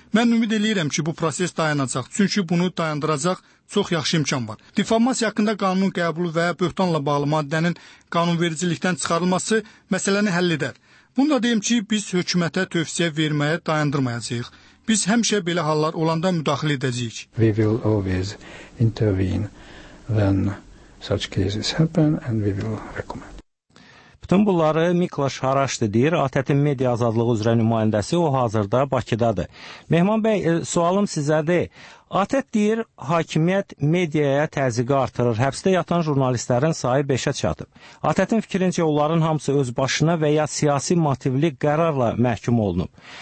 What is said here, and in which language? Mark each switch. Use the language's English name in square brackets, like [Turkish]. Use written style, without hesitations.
[Azerbaijani] Mən ümid eləyirəm ki, bu proses dayanacaq, çünki bunu dayandıracaq çox yaxşı imkan var. Diffamasiya haqqında qanunun qəbulu və böhtanla bağlı maddənin qanunvericilikdən çıxarılması məsələni həll edər. Bunu da deyim ki, biz hökumətə tövsiyə verməyə dayandırmayacağıq. Biz həmişə belə hallar olanda müdaxilə edəcəyik. [English] We will always intervene when such cases happen and we will recommend. [Azerbaijani] Bütün bunları Miklaş Haraşdi deyir, ATƏT-in media azadlığı üzrə nümayəndəsi, o hazırda Bakıdadır. Mehman bəy, sualım sizədir. ATƏT deyir, hakimiyyət mediaya təzyiqi artırır, həbsdə yatan jurnalistlərin sayı 5-ə çatıb. ATƏT-in fikrincə onların hamısı öz başına və ya siyasi motivli qərarla məhkum olunub.